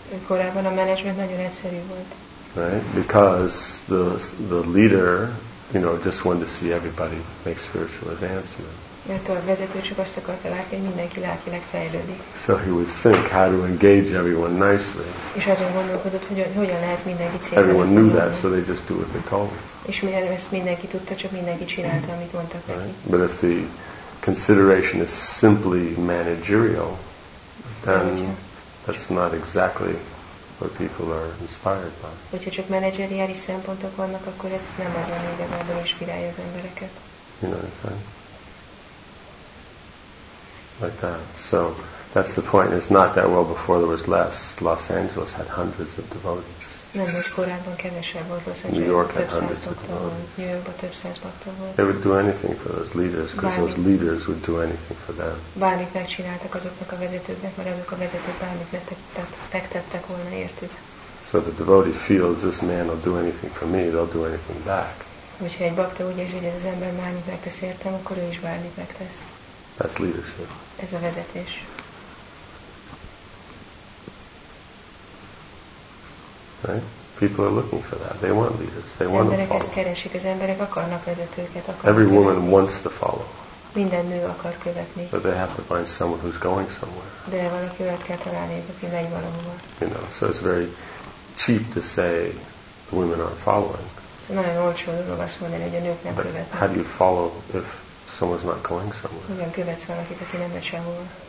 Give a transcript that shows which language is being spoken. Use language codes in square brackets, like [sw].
[hu] Korábban a management nagyon egyszerű volt. [en] Right, because the leader, you know, just wanted to see everybody make spiritual advancement. [hu] Mert a vezető csak azt akarta látni, hogy mindenki lelkileg fejlődik. [en] So he would think how to engage everyone nicely. [hu] És azon gondolkodott, hogy hogyan lehet mindenki célra. [en] Everyone knew that, so they just do what they told. [hu] És mivel ezt mindenki tudta, csak mindenki csinálta, amit mondtak neki. [en] Right? But if the consideration is simply managerial, then that's not exactly what people are inspired by. [hu] Hogyha csak menedzseriális szempontok vannak, akkor ez nem az, ami igazából inspirálja az embereket. [en] You know what I'm saying? Like that. So that's the point. It's not that well before there was less. Los Angeles had hundreds of devotees. [hu] Nem, most korábban kevesebb volt. [en] New York had hundreds of devotees. [hu] New Yorkban több száz bakta volt. [en] They would do anything for those leaders, because those leaders would do anything for them. [hu] Bármit megcsináltak azoknak a vezetőknek, mert azok a vezetők bármit megtettek volna értük. [en] So the devotee feels this man will do anything for me, they'll do anything back. [hu] Hogyha egy bakta úgy érzi, hogy ez az ember bármit megtesz értem, akkor ő is bármit megtesz. [en] That's leadership. [hu] Ez a vezetés. [en] Right? People are looking for that. They want leaders. They want to follow. [hu] Emberek ezt keresik. Az emberek akarnak vezetőket. [en] Every woman wants to follow. [hu] Minden nő akar követni. [en] But they have to find someone who's going somewhere. [hu] De valaki olyat kell találni, aki megy valahova. [en] You know, so it's very cheap to say the women aren't following. [hu] Nagyon olcsó dolog azt mondani, hogy a nők nem követnek. [en] But how do you follow if someone's not going somewhere? [hu] Hogyan követsz valakit, aki nem megy sehova?